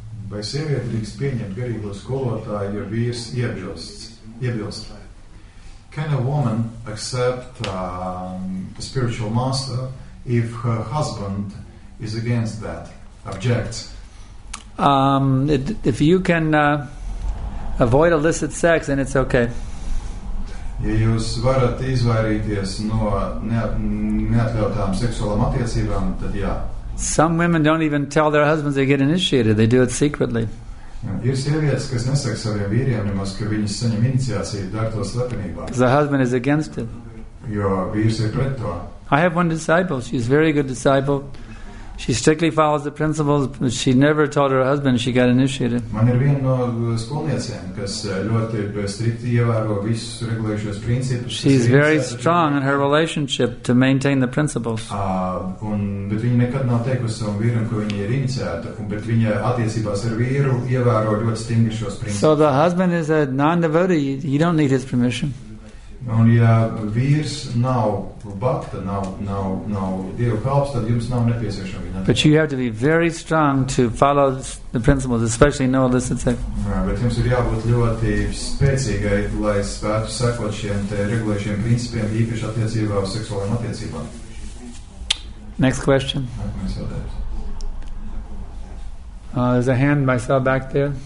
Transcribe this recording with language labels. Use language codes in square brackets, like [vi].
[lv] Vai sievieti drīkst pieņemt garīgo skolotāju, ja vīrs iebilst? [en] Can a woman accept the spiritual master if her husband is against that, objects? If you can avoid illicit sex, then it's okay. [lv] Ja jūs varat izvairīties no neatļautām seksuālām attiecībām, tad jā. [en] Some women don't even tell their husbands they get initiated. They do it secretly. [lv] Ir sievietes, kas nesaka saviem vīriem, nemaz, ka viņas saņem iniciāciju, dar to slepenībā. [en] The husband is against it. [lv] Jo vīrs ir pret to. [en] I have one disciple. She's a very good disciple. She strictly follows the principles, but she never told her husband she got initiated. [lv] Man ir viena no skolniecēm, kas ļoti strikti ievēro visus regulējušos principus. [en] She's very strong in her relationship to maintain the principles. [lv] Bet viņa nekad nav teikusi savam vīram, ka viņa ir iniciēta, bet viņa attiecībās ar vīru ievēro ļoti stingri šos principus. [en] So the husband is a non-devotee, you don't need his permission. [lv] Un ja vīrs nav bakta, nav Dieva kalps, tad jums nav nepieciešama viņa. [en] But you have to be very strong to follow the principles, especially no illicit sex. [lv] Bet jums ir jābūt ļoti spēcīgai, lai spētu sekot šiem te regulējušiem principiem, īpaši attiecībā uz seksuālām attiecībām. [en] Next question. There's a hand myself back there.